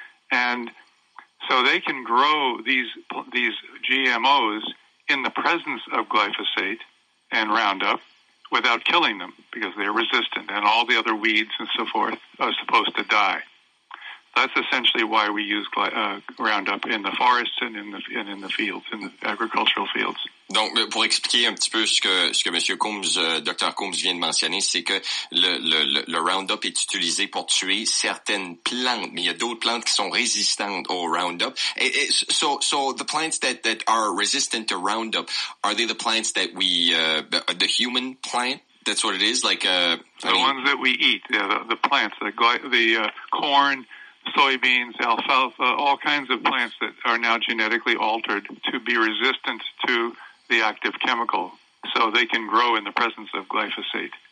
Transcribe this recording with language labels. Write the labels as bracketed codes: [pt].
[en] And so they can grow these GMOs in the presence of glyphosate and Roundup without killing them because they're resistant, and all the other weeds and so forth are supposed to die. That's essentially why we use Roundup in the forests and in the fields, in the agricultural fields. [fr] Donc, pour expliquer un petit peu ce que Monsieur Coombs, Dr. Coombs vient de mentionner, c'est que le Roundup est utilisé pour tuer certaines plantes, mais il y a d'autres plantes qui sont résistantes au Roundup. [en] So the plants that are resistant to Roundup, are they the plants that we the human plant? That's what it is, like ones that we eat, the plants, the corn. Soybeans, alfalfa, all kinds of plants that are now genetically altered to be resistant to the active chemical, so they can grow in the presence of glyphosate.